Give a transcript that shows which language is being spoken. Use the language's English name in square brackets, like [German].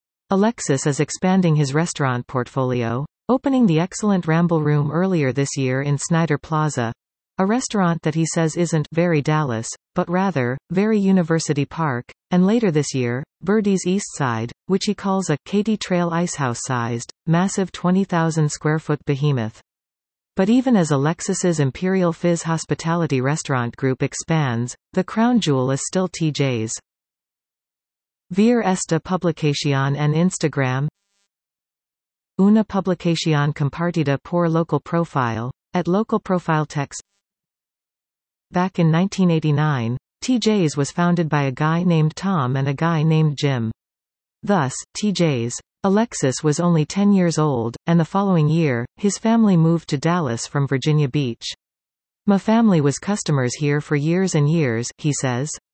[English] Alexis is expanding his restaurant portfolio, opening the excellent Ramble Room earlier this year in Snyder Plaza, a restaurant that he says isn't very Dallas, but rather, very University Park, and later this year, Birdie's East Side, which he calls a Katy Trail Ice House-sized, massive 20,000-square-foot behemoth. But even as Alexis's Imperial Fizz Hospitality Restaurant Group expands, the crown jewel is still TJ's. [Spanish] Vir esta publicación en Instagram, una publicación compartida por local profile, at local profile text. [English] Back in 1989, TJ's was founded by a guy named Tom and a guy named Jim. Thus, TJ's. Alexis was only 10 years old, and the following year, his family moved to Dallas from Virginia Beach. "My family was customers here for years and years," he says.